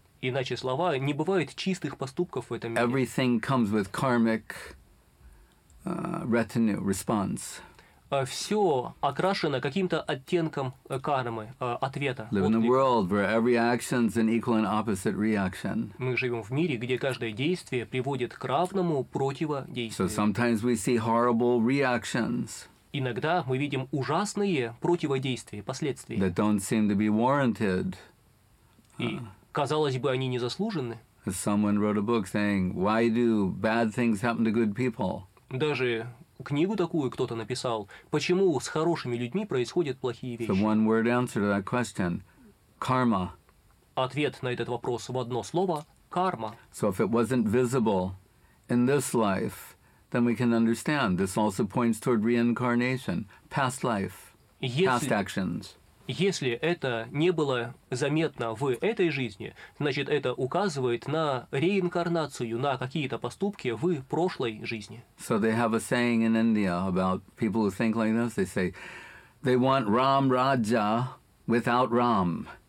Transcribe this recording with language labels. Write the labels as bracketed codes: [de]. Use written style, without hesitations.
[ru] Иначе слова, не бывает чистых поступков в этом мире. [en] Everything comes with karmic retinue, response. [ru] Все окрашено каким-то оттенком кармы, ответа. [en] Live in a world where every action is an equal and opposite reaction. [ru] Мы живем в мире, где каждое действие приводит к равному противодействию. [en] So sometimes we see horrible reactions. [ru] Иногда мы видим ужасные противодействия, последствия. [en] That don't seem to be warranted. [ru] И, казалось бы, они не заслужены. [en] Someone wrote a book saying, why do bad things happen to good people? [ru] Даже книгу такую кто-то написал, почему с хорошими людьми происходят плохие вещи. [en] So one word answer to that question. Karma. [ru] Ответ на этот вопрос в одно слово – карма. [en] So if it wasn't visible in this life, then we can understand this also points toward reincarnation, past life, past actions. [ru] Если это не было заметно в этой жизни, значит, это указывает на реинкарнацию, на какие-то поступки в прошлой жизни. [en] So they have a saying in India about people who think like this. They say, they want Ram Raja without Ram.